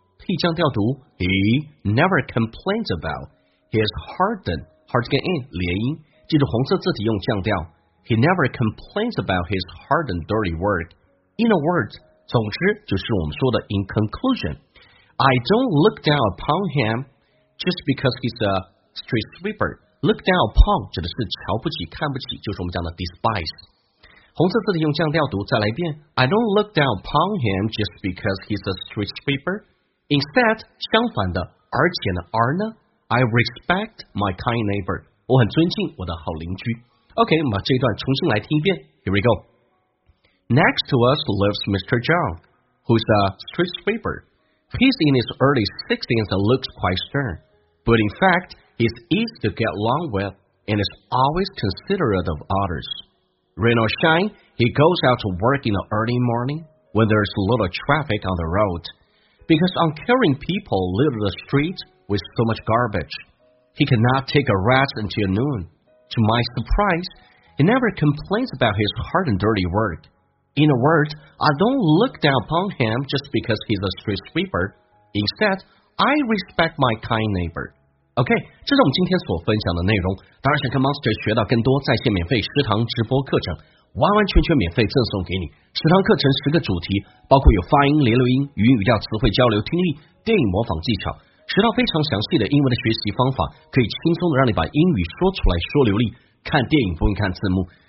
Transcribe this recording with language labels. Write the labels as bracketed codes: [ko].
[zh] 可以这样调读 [en] ：He never complains about his hard and hard and in [zh] 连音，记住红色字体用降调。 [en] He never complains about his hard and dirty work. In a word, [zh] 总之就是我们说的 [en] in conclusion. I don't look down upon him just because he's a street sweeper. Look down upon [zh] 指的是瞧不起、看不起，就是我们讲的 despise。红色字体用降调读，再来一遍。 [en] I don't look down upon him just because he's a street sweeper. Instead, [zh] 相反的，而且呢，而呢 [en] ，I respect my kind neighbor. [zh] 我很尊敬我的好邻居。 OK， 我们把这一段重新来听一遍。 [en] Here we go. Next to us lives Mr. John, who's a street sweeper. He's in his early 60s and looks quite stern. But in fact, he's easy to get along with and is always considerate of others. Rain or shine, he goes out to work in the early morning when there's little traffic on the road. Because uncaring people litter the streets with so much garbage, he cannot take a rest until noon. To my surprise, he never complains about his hard and dirty work. In a word, I don't look down upon him just because he's a street sweeper. Instead, I respect my kind neighbor. [zh] OK, 这是我们今天所分享的内容。当然想跟 Monster 学到更多在线免费食堂直播课程，完完全全免费赠送给你。食堂课程十个主题，包括有发音、连留音、语音语调、词汇交流、听力、电影模仿技巧，学到非常详细的英文的学习方法，可以轻松的让你把英语说出来说流利，看电影不用看字幕。